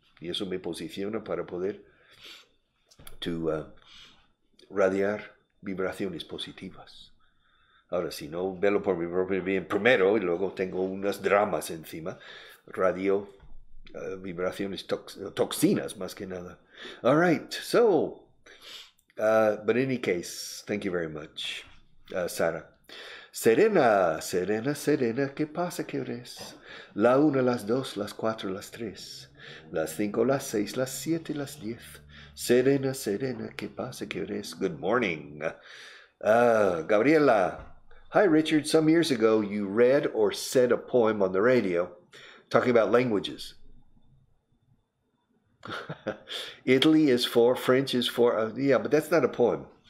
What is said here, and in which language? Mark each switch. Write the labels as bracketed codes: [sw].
[es] Y eso me posiciona para poder radiar vibraciones positivas. Ahora, si no velo por mi propio bien primero y luego tengo unas dramas encima, radio vibraciones toxinas más que nada. [en] All right. So... But in any case, thank you very much, Sarah. [es] Serena, serena, serena, ¿qué pasa, qué eres? La una, las dos, las cuatro, las tres, las cinco, las seis, las siete, las diez. Serena, serena, ¿qué pasa, qué eres? [en] Good morning. Gabriela, hi Richard, some years ago you read or said a poem on the radio talking about languages. Italy is four, French is four. Yeah, but that's not a poem.